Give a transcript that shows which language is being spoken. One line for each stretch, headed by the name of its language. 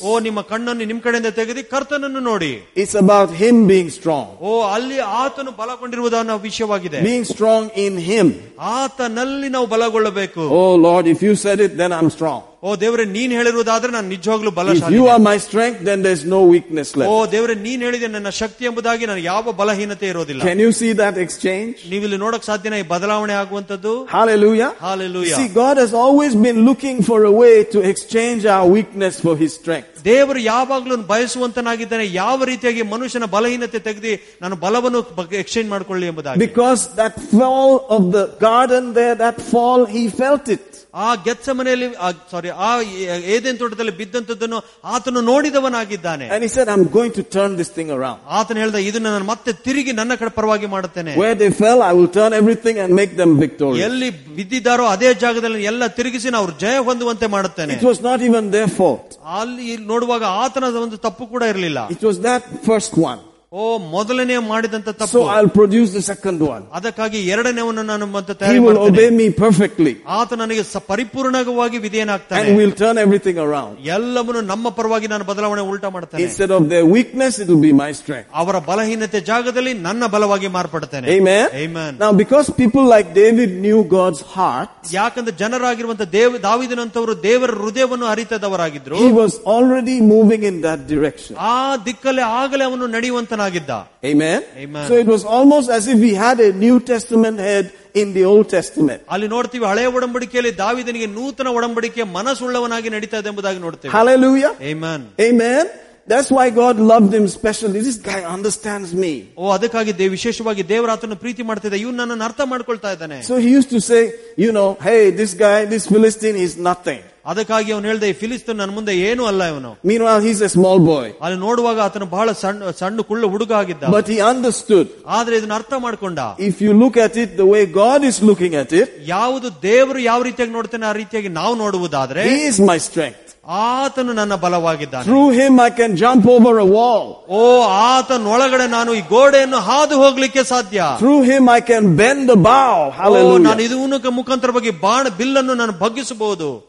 Kannada: Oh, nimma kannannu nimma kadeinda tegedi kartananu nodi.
English: It's about him being strong.
Kannada: Oh, alli aatanu balagondiruvudanna vishayavagide.
English: Being strong in him.
Kannada: Aatanalli navu balagollabeku.
English: Oh Lord, if you said it, then I'm strong.
Kannada: ಓ ದೇವ್ರೆ, ನೀನ್ ಹೇಳಿರುವುದಾದ್ರೆ ನಾನು ನಿಜವಾಗ್ಲೂ ಬಲಶಾಲಿ.
English: You are my strength, then there is no weakness left.
Kannada: ಓ ದೇವ್ರೆ, ನೀನ್ ಹೇಳಿದೆ ನನ್ನ ಶಕ್ತಿ ಎಂಬುದಾಗಿ ನನಗೆ ಯಾವ ಬಲಹೀನತೆ ಇರೋದಿಲ್ಲ.
English: Can you see that exchange?
Kannada: ನೀವು ಇಲ್ಲಿ ನೋಡಕ್ ಸಾಧ್ಯನ ಈ ಬದಲಾವಣೆ ಆಗುವಂತದ್ದು?
English: Hallelujah, hallelujah. See, God has always been looking for a way to exchange our weakness for his strength.
Kannada: ದೇವರು ಯಾವಾಗ್ಲೂ ಬಯಸುವಂತನಾಗಿದ್ದಾನೆ, ಯಾವ ರೀತಿಯಾಗಿ ಮನುಷ್ಯನ ಬಲಹೀನತೆ ತೆಗೆದು ನನ್ನ ಬಲವನ್ನು ಎಕ್ಸ್ಚೇಂಜ್ ಮಾಡಿಕೊಳ್ಳಿ ಎಂಬುದಾಗಿ.
English: Because that fall of the garden there, that fall he felt it.
Kannada: ಆ ಗೆತ್ತ ಮನೆಯಲ್ಲಿ, ಸಾರಿ, ಆ ಏದೆನ್ ತೋಟದಲ್ಲಿ ಬಿದ್ದಂತದ್ದನ್ನು ಆತನು ನೋಡಿದವನಾಗಿದ್ದಾನೆ.
English: And he said, I'm going to turn this thing around.
Kannada: ಆತನು ಹೇಳಿದ, ಇದನ್ನ ನಾನು ಮತ್ತೆ ತಿರುಗಿ ನನ್ನ ಕಡೆ ಪರವಾಗಿ ಮಾಡುತ್ತೇನೆ.
English: Where they fell, I will turn everything and make them victorious.
Kannada: ಎಲ್ಲಿ ಬಿದ್ದಿದ್ದಾರೋ ಅದೇ ಜಾಗದಲ್ಲಿ ಎಲ್ಲ ತಿರುಗಿಸಿ ಅವರು ಜಯ ಹೊಂದುವಂತೆ ಮಾಡುತ್ತೇನೆ.
English: It was not even their fault.
Kannada: ಅಲ್ಲಿ ನೋಡುವಾಗ ಆತನ ಒಂದು ತಪ್ಪು ಕೂಡ ಇರಲಿಲ್ಲ.
English: It was that first one.
Kannada: ಓ, ಮೊದಲನೇ ಮಾಡಿದಂತ ತಪ್ಪು.
English: So I'll produce the second one.
Kannada: ಅದಕ್ಕಾಗಿ ಎರಡನೇವನ್ನು ನಾನು ಮತ್ತೆ ತಯಾರಿ ಮಾಡ್ತೇನೆ.
English: He will obey me perfectly.
Kannada: ಆತ ನನಗೆ ಪರಿಪೂರ್ಣವಾಗಿ ವಿಧೇಯನಾಗ್ತಾನೆ.
English: And we'll turn everything around.
Kannada: ಎಲ್ಲವನ್ನು ನಮ್ಮ ಪರವಾಗಿ ನಾನು ಬದಲಾವಣೆ ಉಲ್ಟಾ ಮಾಡ್ತೇನೆ.
English: Instead of their weakness, it will be my strength.
Kannada: ಅವರ ಬಲಹೀನತೆ ಜಾಗದಲ್ಲಿ ನನ್ನ ಬಲವಾಗಿ ಮಾರ್ಪಡ್ತೇನೆ.
English: Amen. Amen. Now because people like David knew God's heart.
Kannada: ಯಾಕಂದ್ರೆ ಜನರಾಗಿರುವಂತ ದಾವಿದನಂತವರು ದೇವರ ಹೃದಯವನ್ನು ಅರಿತದವರಾಗಿದ್ರು.
English: He was already moving in that direction.
Kannada: ಆ ದಿಕ್ಕಲ್ಲೇ ಆಗಲೇ ಅವನು ನಡೆಯುವಂತ.
English: Amen. Amen. So it was almost as if he had a New Testament head in the Old Testament.
Kannada: ಅಲ್ಲಿ ನೋಡ್ತೀವಿ ಹಳೆಯ ಒಡಂಬಡಿಕೆಯಲ್ಲಿ ದಾವಿದನಿಗೆ ನೂತನ ಒಡಂಬಡಿಕೆ ಮನಸ್ಸುಳ್ಳವನಾಗಿ ನಡೀತಾ ಇದೆ ಎಂಬುದಾಗಿ ನೋಡ್ತೇವೆ.
English: Hallelujah. Amen. Amen. That's why God loved him specially. This guy understands me.
Kannada: ಓ, ಅದಕ್ಕಾಗಿ ವಿಶೇಷವಾಗಿ ದೇವರಾತನ ಪ್ರೀತಿ ಮಾಡ್ತಿದ್ದ, ಇವನು ನನ್ನನ್ನು ಅರ್ಥ ಮಾಡ್ಕೊಳ್ತಾ ಇದ್ದಾನೆ.
English: So he used to say, you know, hey, this guy, this Philistine is nothing.
Kannada: ಅದಕ್ಕಾಗಿ ಅವನು ಹೇಳಿದ, ಈ ಫಿಲಿಸ್ತೀನ್ ನನ್ನ ಮುಂದೆ ಏನು ಅಲ್ಲ ಇವನು.
English: Meanwhile, he's a small boy.
Kannada: ಅಲ್ಲಿ ನೋಡುವಾಗ ಆತನು ಬಹಳ ಸಣ್ಣ ಕುಳ್ಳ ಹುಡುಗ ಆಗಿದ್ದ.
English: But he understood.
Kannada: ಆದ್ರೆ ಇದನ್ನು ಅರ್ಥ ಮಾಡಿಕೊಂಡ.
English: If you look at it the way God is looking at it,
Kannada: ಯಾವುದು ದೇವರು ಯಾವ ರೀತಿಯಾಗಿ ನೋಡ್ತಾನೆ ಆ ರೀತಿಯಾಗಿ ನಾವು ನೋಡುವುದಾದ್ರೆ,
English: he is my strength.
Kannada: ಆತನು ನನ್ನ ಬಲವಾಗಿದ್ದಾನೆ.
English: Through him I can jump over a wall.
Kannada: ಓ, ಆತನೊಳಗಡೆ ನಾನು ಈ ಗೋಡೆಯನ್ನು ಹಾದು ಹೋಗ್ಲಿಕ್ಕೆ ಸಾಧ್ಯ.
English: Through him I can bend the bow.
Kannada: ಹಾಗೂ ನಾನು ಇದು ಮುಖಾಂತರವಾಗಿ ಬಾಣ ಬಿಲ್ಲನ್ನು ನಾನು ಬಗ್ಗಿಸಬಹುದು.